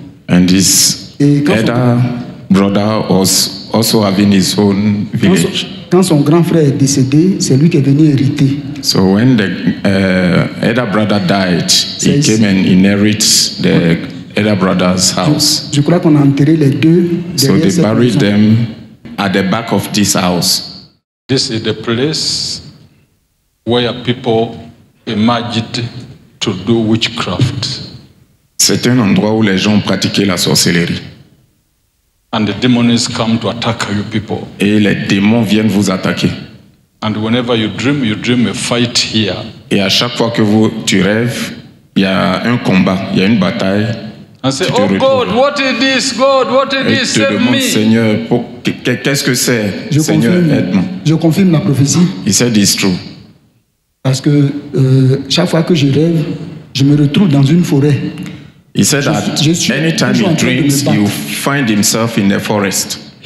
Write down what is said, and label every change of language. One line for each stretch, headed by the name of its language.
English: And his elder brother was also having his own village.
French: Quand son grand frère est décédé, c'est lui qui est venu hériter.
English: So when the elder brother died, came and inherited the elder brother's house.
French: Je crois qu'on a enterré les deux derrière cette maison.
English: So they buried them at the back of this house. This is the place where people imagined to do witchcraft.
French: C'est un endroit où les gens pratiquaient la sorcellerie.
English: And the demons come to attack you people.
French: Et les démons viennent vous attaquer.
English: And whenever you dream a fight here.
French: Et à chaque fois que vous, tu rêves, il y a un combat, il y a une bataille.
English: And say, oh God, what is this? God, what is this? Save me.
French: Seigneur, qu'est-ce que c'est? Je Seigneur, confirme, aide-moi. Je confirme la prophétie.
English: He said it's true.
French: Parce que chaque fois que je rêve, je me retrouve dans une forêt.
English: He said that anytime he dreams, you find himself in the forest.